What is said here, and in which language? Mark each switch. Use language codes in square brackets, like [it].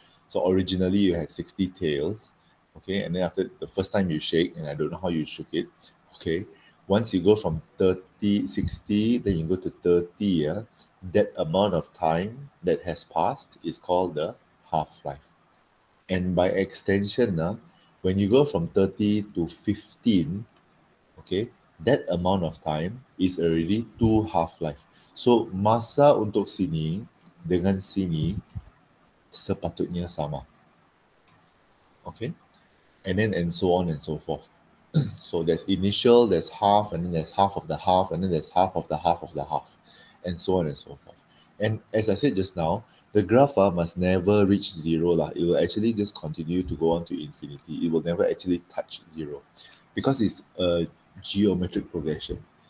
[en] So originally, you had 60 tails, okay, and then after the first time you shake, and I don't know how you shook it, okay, once you go from 30, 60, then you go to 30, that amount of time that has passed is called the half-life. And by extension, when you go from 30 to 15, okay, that amount of time is already 2 half-life. [ms] So masa untuk sini dengan sini sepatutnya sama. [en] Okay? And then and so on and so forth. So there's initial, there's half, and then there's half of the half, and then there's half of the half of the half, and so on and so forth. And as I said just now, the graph must never reach zero. It will actually just continue to go on to infinity. It will never actually touch zero because it's a geometric progression.